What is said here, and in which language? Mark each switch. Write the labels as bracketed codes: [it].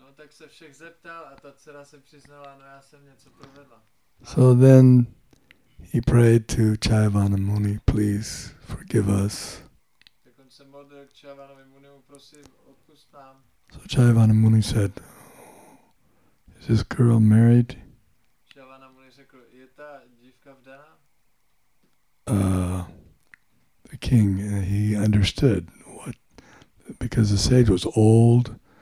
[cs] Se všech zeptal a ta dcera se přiznala, no já jsem něco provedla. [en] So then he prayed to Chayavana Muni, please forgive us. [cs] Tak on se modlil k Chayavanovi Muniu, prosím, odpust nám. [en] So Chayavana Muni said, is this girl married? [cs] Chayavana Muni řekl, je ta dívka vdaná? [en] The king, he understood what, because the sage was old.